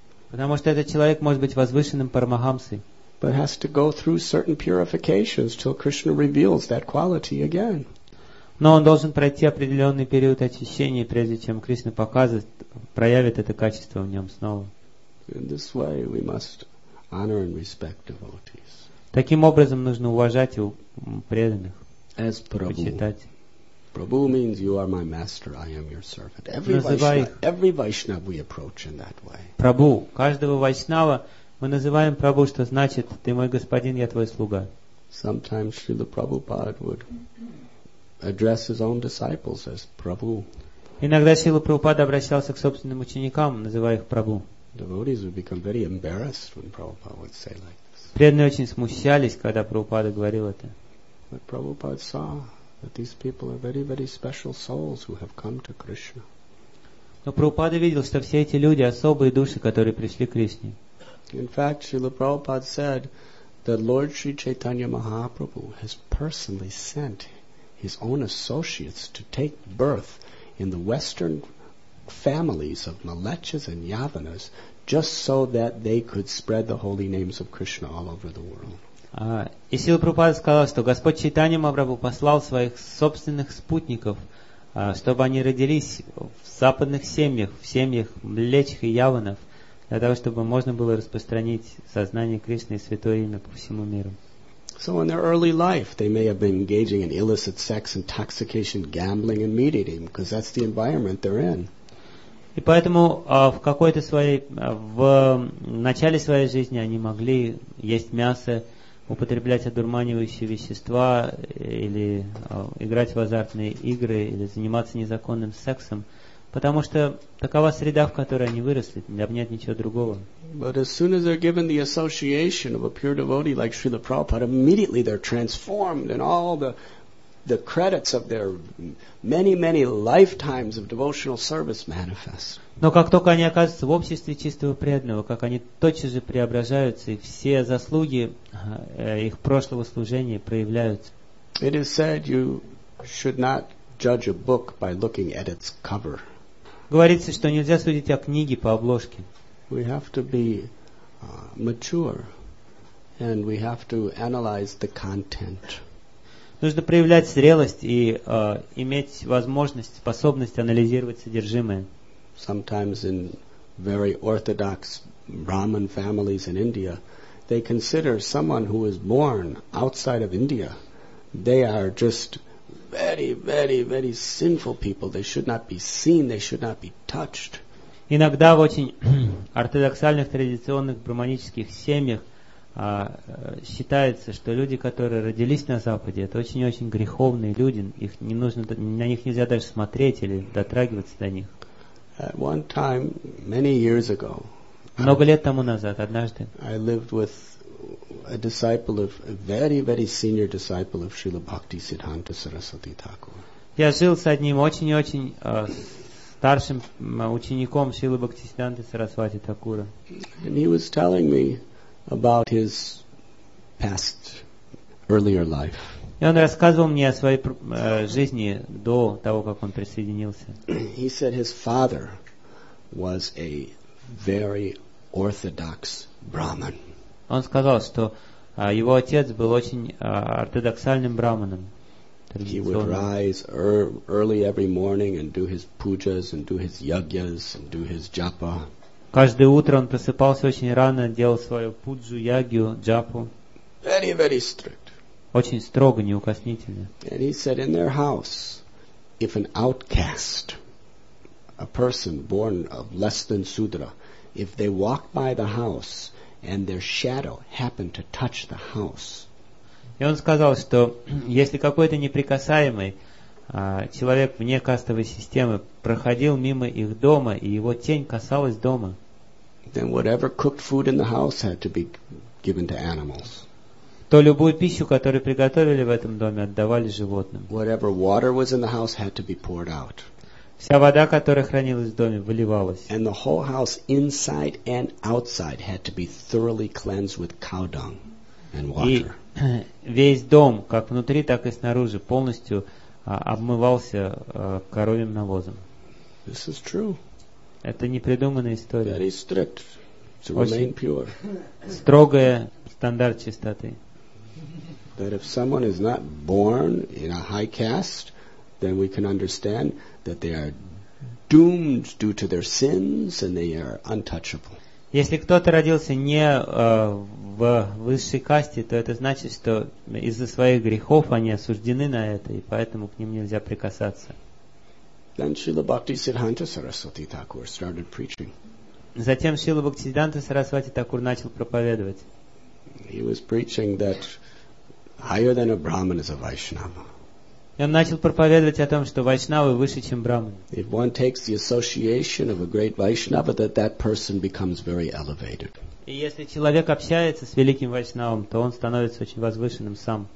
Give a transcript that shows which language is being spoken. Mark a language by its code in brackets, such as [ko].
[ru] Потому что этот человек может быть возвышенным парамахамсой. [en] But has to go through certain purifications till Krishna reveals that quality again. [ru] Но он должен пройти определенный период очищения, прежде чем Кришна покажет, проявит это качество в нем снова. [en] In this way we must honor and respect devotees. [ru] Таким образом нужно уважать преданных. [en] As Prabhu. Prabhu means you are my master, I am your servant. Every Vaishnava we approach in that way. [ru] Прабу, каждого вайшнава мы называем Прабу, что значит ты мой господин, я твой слуга. [en] Sometimes Srila Prabhupada would address his own disciples as Prabhu. [ru] Иногда Шрила Прабхупада обращался к собственным ученикам, называя их Прабу. [en] Devotees would become very embarrassed when Prabhupada would say like this. [ru] Преданные очень смущались, когда Прабхупада говорил это. [en] But Prabhupada saw that these people are very, very special souls who have come to Krishna. [ru] Но Прабхупада видел, что все эти люди особые души, которые пришли к Кришне. [en] In fact, Srila Prabhupada said that Lord Sri Chaitanya Mahaprabhu has personally sent his own associates to take birth in the western families of Malechas and Yavanas just so that they could spread the holy names of Krishna all over the world. [ru] И Сила Прабхупада сказал, что Господь Чайтанья Махапрабху послал своих собственных спутников, чтобы они родились в западных семьях, в семьях млечих и яванов, для того, чтобы можно было распространить сознание Кришны и святое имя по всему миру. [en] So in their early life, they may have been engaging in illicit sex, intoxication, gambling, and meat eating, because that's the environment they're in. [ru] И поэтому в какой-то своей, в начале своей жизни они могли есть мясо, употреблять одурманивающие вещества или играть в азартные игры или заниматься незаконным сексом, потому что такова среда, в которой они выросли, для них нет ничего другого. [en] But as soon as they're given the association of a pure devotee like Srila Prabhupada, immediately they're transformed and all the credits of their many, many lifetimes of devotional service manifest. [ru] Но как только они оказываются в обществе чистого преданного, как они тотчас же преображаются, и все заслуги их прошлого служения проявляются. [en] It is said you should not judge a book by looking at its cover. [ru] Говорится, что нельзя судить о книге по обложке. [en] We have to be mature, and we have to analyze the content. [ru] Нужно проявлять зрелость и иметь возможность, способность анализировать содержимое. [en] Sometimes in very orthodox Brahmin families in India, they consider someone who is born outside of India, they are just very, very, very sinful people. They should not be seen, they should not be touched. [ru] Иногда в очень ортодоксальных традиционных брахманических семьях считается, что люди, которые родились на Западе, это очень-очень греховные люди, их не нужно, на них нельзя даже смотреть или дотрагиваться до них. [en] At one time, many years ago, [ru] много лет тому назад, однажды, [en] I lived with a disciple of a very, very senior disciple of Srila Bhakti Siddhanta Saraswati Thakur. [ru] Я жил с одним очень-очень старшим учеником Шрилы Бхактисиддханты Сарасвати Такура. [en] And he was telling me about his past earlier life. [ru] И он рассказывал мне о своей жизни до того, как он присоединился. [en] He said his father was a very orthodox Brahmin. [ru] Он сказал, что его отец был очень ортодоксальным браманом. [en] He would rise early every morning and do his pujas and do his yagyas and do his japa. [ru] Каждое утро он просыпался очень рано, делал свою пуджу, ягью, джапу. [en] Very, very strict. [ru] Очень строго, неукоснительно. [en] And he said in their house, if an outcast, a person born of less than sudra, if they walk by the house and their shadow happened to touch the house. [ru] И он сказал, что если какой-то неприкасаемый человек вне кастовой системы проходил мимо их дома, и его тень касалась дома, [en] then whatever cooked food in the house had to be given to animals. [ru] То любую пищу, которую приготовили в этом доме, отдавали животным. [en] Whatever water was in the house had to be poured out. [ru] Вся вода, которая хранилась в доме, выливалась. [en] And the whole house inside and outside had to be thoroughly cleansed with cow dung and water. [ru] И весь дом, как внутри, так и снаружи, полностью обмывался коровьим навозом. [en] This is true. [ru] Это непридуманная история. [en] Very strict to remain pure. [ru] Строгая стандарт чистоты. [en] That if someone is not born in a high caste, then we can understand that they are doomed due to their sins and they are untouchable. [ru] Если кто-то родился не в высшей касте, то это значит, что из-за своих грехов они осуждены на это, и поэтому к ним нельзя прикасаться. [en] Then Srila Bhakti Siddhanta Saraswati Thakur started preaching. [ru] Затем Srila Bhakti Siddhanta Saraswati Thakur начал проповедовать. [en] He was preaching that higher than a Brahmin is a Vaishnava. [ru] И он начал проповедовать о том, что вайшнавы выше, чем брахманы. [en] If one takes the association of a great vaishnava, that that person becomes very elevated. [ru] И если человек общается с великим вайшнавом, то он становится очень возвышенным сам.